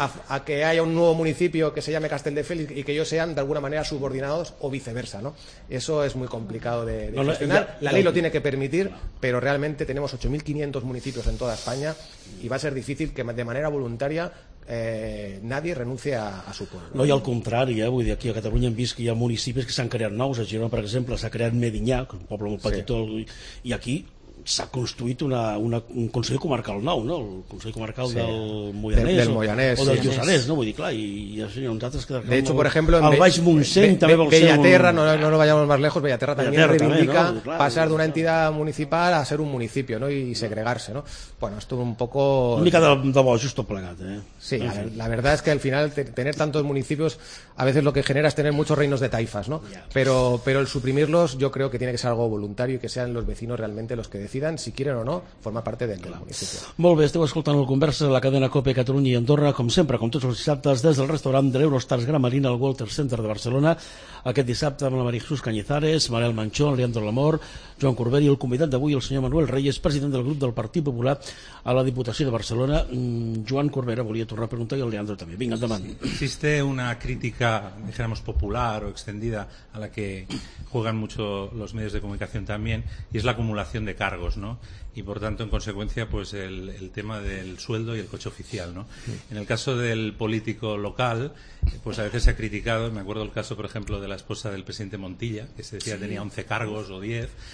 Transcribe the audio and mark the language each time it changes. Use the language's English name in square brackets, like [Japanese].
[Spanish] a que haya un nuevo municipio que se llame Castelldefels y que ellos sean de alguna manera subordinados o viceversa, ¿no? Eso es muy complicado de gestionar. La ley lo tiene que permitir, pero realmente tenemos 8.500 municipios en toda España y va a ser difícil que de manera voluntaria nadie renuncie a su pueblo. [Catalan] No, i al contrari, vull dir, aquí a Catalunya hem vist que hi ha municipis que s'han creat nous. A Girona, per exemple, s'ha creat Medinyà, un poble molt petit, sí. I aquí s'ha construït un Consell Comarcal nou, no? El Consell Comarcal del Moianès. Del Moianès, o del Lluçanès, no? Vull dir, clar, i això hi ha uns altres que... [Spanish] De hecho, por ejemplo, [Catalan] el Baix Montseny també vol ser... Bellaterra, [Spanish] no lo vayamos más lejos, Bellaterra también reivindica pasar [Catalan] d'una entitat municipal a ser un municipi, no? I segregar-se, no? [Spanish] Bueno, esto un poco... [Catalan] Una mica de bo, justo plegat, eh? [Spanish] Sí, la verdad es que al final tener tantos municipios a veces lo que genera es tener muchos reinos de taifas, ¿no? Pero el suprimirlos yo creo que tiene que ser algo voluntario y que sean los vecinos realmente los que decidan si quieren o no formar parte del municipio. [Catalan] Molt bé, esteu escoltant el Conversa de la cadena COPE Catalunya i Andorra, com sempre, com tots els dissabtes, des del restaurant de l'Eurostars Gran Marina al Walter Center de Barcelona, aquest dissabte amb la Maria Jesús Cañizares, Manel Manchón, Leandro Lamor, Joan Corbet i el convidat d'avui, el senyor Manuel Reyes, president del grup del Partit Popular a la Diputació de Barcelona. Joan Corbera volia tornar a preguntar i el Leandro també. Vinga, endavant. [Spanish] Existe una crítica, dijéramos, popular o extendida a la que juegan mucho los medios de comunicación también, y es la acumulación de cargos, ¿no? Y por tanto, en consecuencia, pues el tema del sueldo y el coche oficial, ¿no? En el caso del político local, pues a veces se ha criticado, me acuerdo el caso, por ejemplo, de la esposa del presidente Montilla, que se decía que tenía 11 cargos o 10.